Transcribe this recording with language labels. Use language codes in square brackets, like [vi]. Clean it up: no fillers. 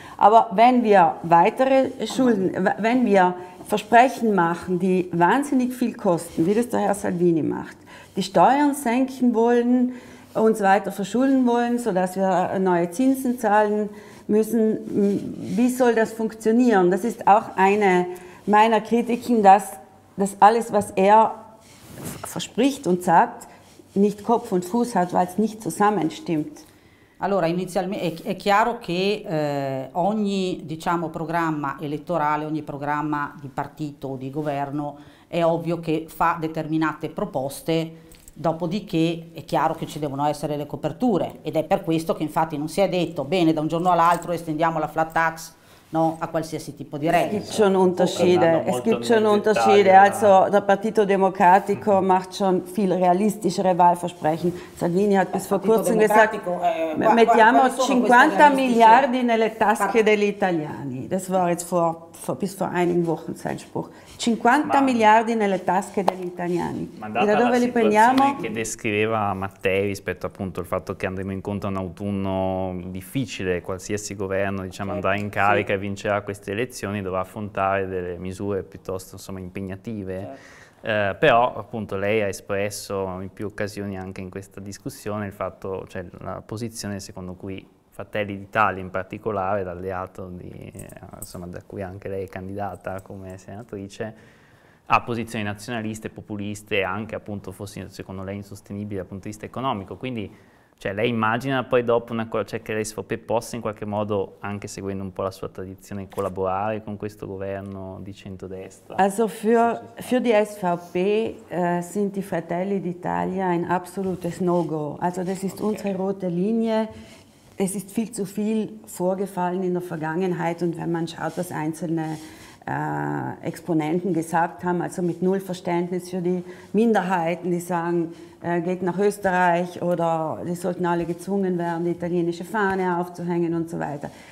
[de] Aber wenn wir weitere Schulden, wenn wir Versprechen machen, die wahnsinnig viel kosten, wie das der Herr Salvini macht, die Steuern senken wollen, uns weiter verschulden wollen, sodass wir neue Zinsen zahlen müssen, wie soll das funktionieren? Das ist auch eine meiner Kritiken, dass das alles, was er verspricht und sagt, nicht Kopf und Fuß hat, weil es nicht zusammenstimmt. [it] Allora, inizialmente è chiaro che ogni, diciamo, programma elettorale, ogni programma di partito o di governo è ovvio che fa determinate proposte, dopodiché è chiaro che ci devono essere le coperture, ed è per questo che infatti non si è detto bene, da un giorno all'altro estendiamo la flat tax, no, a qualsiasi tipo di reddito. [de] Es gibt schon Unterschiede. Es gibt schon Unterschiede. Also der Partito Democratico macht schon viel realistischere Wahlversprechen. Salvini hat bis vor kurzem gesagt, [it] mettiamo 50 miliardi nelle tasche degli italiani. [de] Das war jetzt bis vor einigen Wochen sein Spruch. [it] 50 miliardi nelle tasche degli italiani. E da dove li prendiamo? Che descriveva Mattei rispetto appunto al fatto che andremo incontro a un autunno difficile, qualsiasi governo, diciamo, andrà in carica. Sì. Vincerà queste elezioni, dovrà affrontare delle misure piuttosto, insomma, impegnative. Certo. Però appunto lei ha espresso in più occasioni anche in questa discussione il fatto, cioè la posizione secondo cui Fratelli d'Italia in particolare, l'alleato di, insomma, da cui anche lei è candidata come senatrice, ha posizioni nazionaliste, populiste, anche appunto fosse secondo lei insostenibile dal punto di vista economico. Quindi, cioè, lei immagina poi dopo una cosa, cioè, che l'SVP possa in qualche modo, anche seguendo un po' la sua tradizione, collaborare con questo governo di centrodestra? [de] Also für die SVP sind die Fratelli d'Italia ein absolutes No-Go. Also das ist unsere rote Linie. Es ist viel zu viel vorgefallen in der Vergangenheit, und wenn man schaut, was einzelne Exponenten gesagt haben, also mit null Verständnis für die Minderheiten, die sagen, geht nach Österreich, oder die sollten alle gezwungen werden, die italienische Fahne aufzuhängen und so weiter.